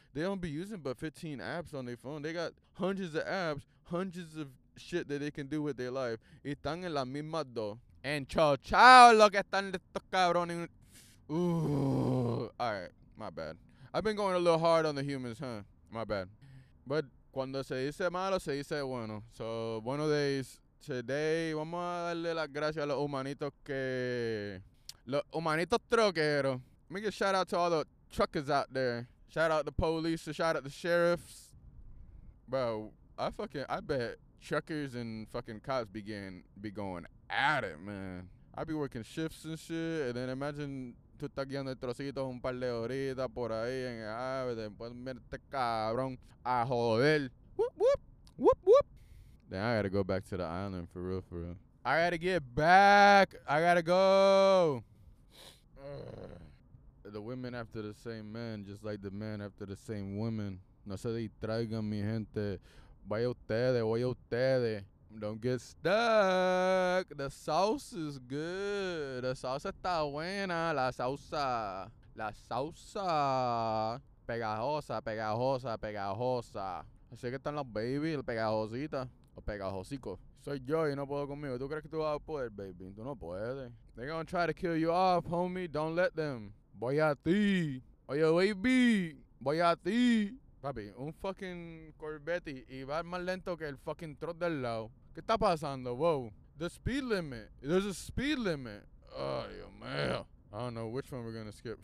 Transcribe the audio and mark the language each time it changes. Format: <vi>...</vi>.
<en>They don't be using but 15 apps on their phone. They got hundreds of apps, hundreds of shit that they can do with their life.</en> <es>Y están en la misma dos. And chao, chao, lo que están estos cabrones.</es> <en>Ooh. All right, my bad. I've been going a little hard on the humans, huh? My bad. But...</en> <es>Cuando se dice malo, se dice bueno.</es> <en>So,</en> <es>buenos</es> <en>days. Today,</en> <es>vamos a darle las gracias a los humanitos que... Los humanitos troqueros.</es> <en>Let me give a shout out to all the truckers out there. Shout out the police, shout out the sheriffs. Bro, I bet truckers and fucking cops be going at it, man. I be working shifts and shit, and then imagine...</en> <es>Tú estás guiando el trocito un par de horitas por ahí en el ave. Después mira este cabrón a joder. Whoop, whoop, whoop, whoop.</es> <en>Then I gotta go back to the island for real, for real. I gotta get back. I gotta go. The women after the same men, just like the men after the same women.</en> <es>No se distraigan, mi gente. Vaya ustedes.</es> <en>Don't get stuck. The sauce is good.</en> <es>The salsa está buena. La salsa. Pegajosa. Así que están los babies, pegajositas. Los pegajositos. Soy yo y no puedo conmigo. ¿Tú crees que tú vas a poder, baby? Tú no puedes.</es> <en>They're gonna try to kill you off, homie. Don't let them.</en> <es>Voy a ti. Oye, baby. Voy a ti. Papi, un fucking Corvette y va más lento que el fucking truck del lado. ¿Qué está pasando?</es> <en>Whoa. The speed limit. There's a speed limit. Oh, yo, man. I don't know which one we're going to skip.</en>